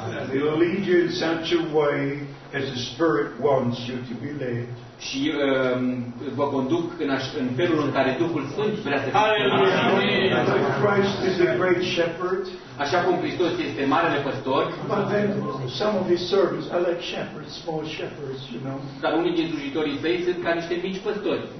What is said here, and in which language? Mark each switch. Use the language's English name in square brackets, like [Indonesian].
[English] They lead you in such a way as the Spirit wants you to be led. [Romanian] Și vă conduc în felul în care Duhul Sfânt vrea să fie. [English] Christ is a great shepherd. [Romanian] Așa cum Hristos este marele păstor. [English] But then some of his servants are like shepherds, small shepherds, you know. [Romanian] Dar unii din slujitorii săi sunt ca niște mici păstori.